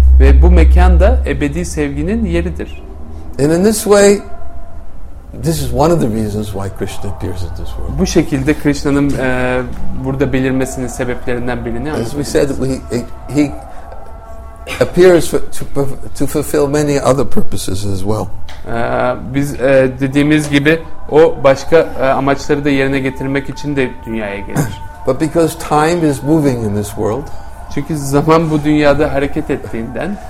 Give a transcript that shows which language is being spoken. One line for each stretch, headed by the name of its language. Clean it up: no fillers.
Turkish: Ve bu mekan da ebedi sevginin yeridir.
English: And in this way, this is one of the reasons why Krishna appears in this world.
Turkish: Bu şekilde Krishna'nın burada belirmesinin sebeplerinden birini anlıyoruz.
English: As we said, he appears to fulfill many other purposes as well.
Turkish: Biz dediğimiz gibi o başka amaçları da yerine getirmek için de dünyaya gelir.
English: But because time is moving in this world,
Turkish: çünkü zaman bu dünyada hareket ettiğinden,